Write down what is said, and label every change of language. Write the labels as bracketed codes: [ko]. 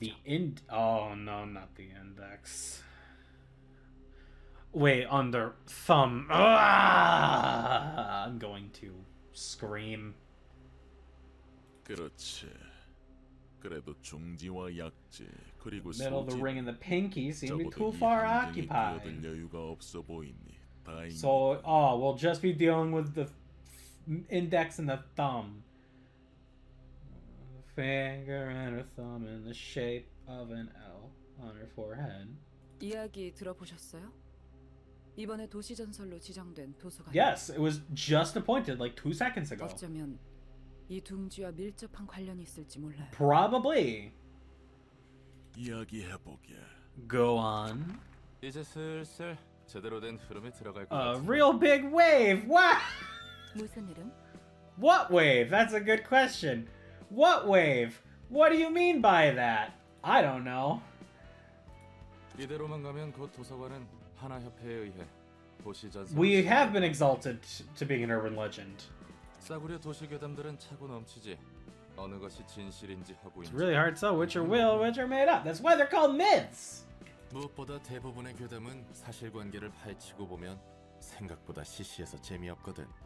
[en] The end. Oh no, not the index. Wait, under thumb. I'm going to scream. [ko] 그렇지그래도중지와약지그리고 [en] Middle of the ring and the pinky seem to be too far occupied. [ko] 이 여유가없어보이니다행 [en] So, oh, we'll just be dealing with the index and the thumb. Finger and a thumb in the shape of an L on her forehead. [ko] 이야기들어보셨어요이번에도시전설로지정된도서관 [en] Yes, it was just appointed like 2 seconds ago. [ko] 어쩌면이둥지와밀접한관련이있을지몰라요 [en] Probably. [ko] 이야기해보게 [en] Go on. [ko] 이제슬슬제대로된흐름에들어갈 [en] A real big wave. What? [ko] 무슨흐름 [en] What wave? That's a good question. What wave? What do you mean by that? I don't know. [ko] 이대로만가면곧도서관은하나협회에의해도시전설 [en] We have been exalted to being an urban legend. [ko] 싸구려도시괴담들은차고넘치지어느것이진실인지하고 [en] It's really hard to tell which are real, which are made up. That's why they're called myths. [ko] 무엇보다대부분의괴담은사실관계를파헤치고보면생각보다시시해서재미없거든